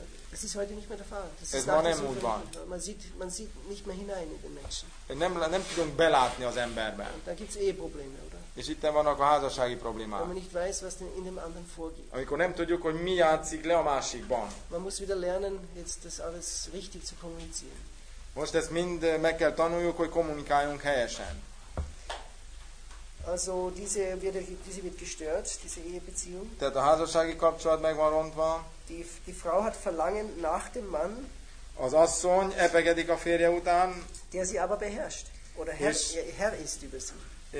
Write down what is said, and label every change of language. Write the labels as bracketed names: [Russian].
[German] Das ist heute nicht mehr der Fall. [Hungarian] Ez ma nem úgy van. [German] Man sieht nicht mehr hinein in den Menschen. [Hungarian] Nem tudunk belátni az emberben. [German] Da gibt es Eheprobleme, oder? [Hungarian] És itt vannak a házassági problémák. [German] Wenn man nicht weiß, was in dem anderen vorgeht. [Hungarian] Amikor nem tudjuk, hogy mi játszik le a másikban. [German] Man muss wieder lernen, jetzt das alles richtig zu kommunizieren. [Hungarian] Most ezt mind meg kell tanuljuk, hogy kommunikáljunk helyesen. [German] Also diese wird gestört, diese Ehebeziehung. [Hungarian] Tehát a házassági kapcsolat meg van rontva. [German] Die Frau hat Verlangen nach dem Mann. [Hungarian] Az asszony epegedik a férje után. [German] Der sie aber beherrscht. Oder Herr ist über sie.